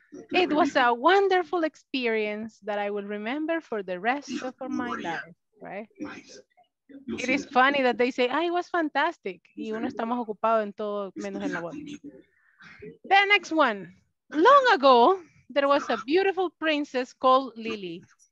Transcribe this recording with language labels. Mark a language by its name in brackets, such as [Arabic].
[English] It was a wonderful experience that I will remember for the rest of my life, right? It is funny that they say, ah, it was fantastic. [Spanish] Y uno estamos ocupados en todo menos en la boda. [English] The next one. Long ago, there was a beautiful princess called Lily.